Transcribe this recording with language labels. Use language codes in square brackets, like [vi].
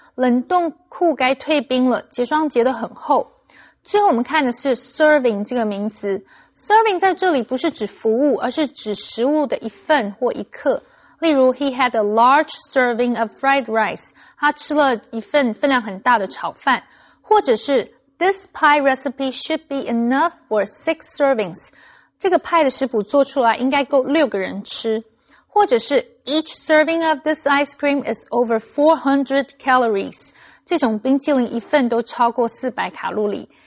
[zh] 冷冻库该退冰了，结霜结得很厚。最后我们看的是 serving 这个名词。Serving 在这里不是指服务，而是指食物的一份或一刻。例如 [en] He had a large serving of fried rice. [zh] 他吃了一份分量很大的炒饭。或者是 [en] This pie recipe should be enough for 6 servings. [zh] 这个派的食谱做出来应该够六个人吃。或者是 [en] Each serving of this ice cream is over 400 calories. [zh] 这种冰淇淋一份都超过400卡路里。